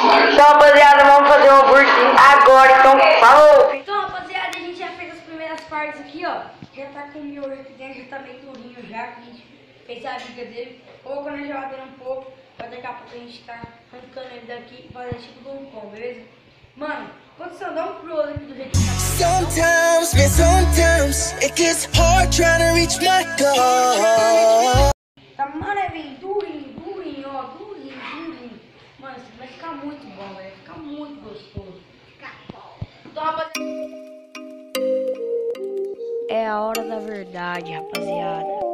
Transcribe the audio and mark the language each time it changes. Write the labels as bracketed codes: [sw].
[pt] Então, rapaziada, vamos fazer um hambúrguer agora, então, falou! Então, rapaziada, a gente já fez as primeiras partes aqui, ó. Já tá com o miojo aqui dentro, já tá meio durinho já, que a gente fez a briga dele. Colocou na geladeira um pouco, mas daqui a pouco a gente tá arrancando ele daqui, fazendo tipo do pão, beleza? [en] Sometimes, man, sometimes it gets hard trying to reach my goal. [pt] Tá maravilhoso, durinho, durinho, ó, durinho, durinho. Mano, isso vai ficar muito bom, velho. Fica muito gostoso. É a hora da verdade, rapaziada.